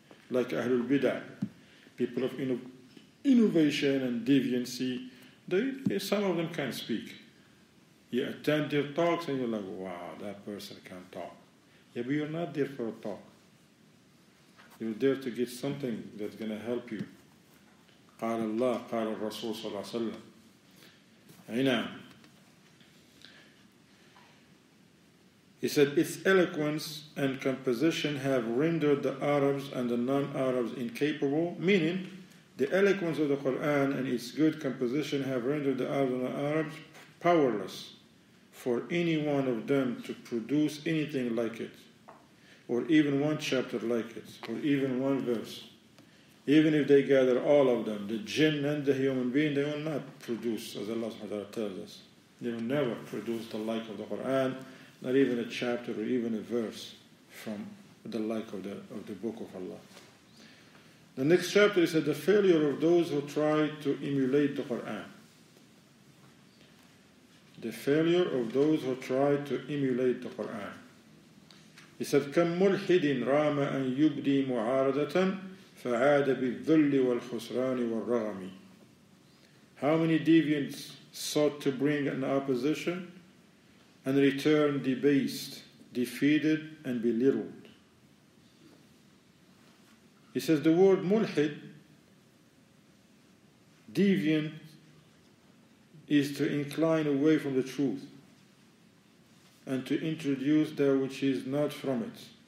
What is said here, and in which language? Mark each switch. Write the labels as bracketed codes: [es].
[en] Like Ahlul Bid'ah, people of innovation and deviancy, some of them can speak. You attend their talks and you're like, wow, that person can talk. Yeah, but you're not there for a talk. You're there to get something that's going to help you. [ar] قال الله قال الرسول صلى الله عليه وسلم هنا. [en] He said, its eloquence and composition have rendered the Arabs and the non-Arabs incapable, meaning the eloquence of the Quran and its good composition have rendered the Arabs and the Arabs powerless for any one of them to produce anything like it, or even one chapter like it, or even one verse. Even if they gather all of them, the jinn and the human being, they will not produce, as Allah subhanahu wa ta'ala tells us. They will never produce the like of the Quran, not even a chapter or even a verse from the like of the book of Allah. The next chapter is the failure of those who try to emulate the Quran. The failure of those who try to emulate the Quran. He said, [ar] كَمْ مُلْحِدٍ رَامَ أَنْ يُبْدِي مُعَارَدَةً فعاد بالذل والخسران والرغم. [en] How many deviants sought to bring an opposition and return debased, defeated, and belittled? He says the word mulhid, deviant, is to incline away from the truth and to introduce that which is not from it.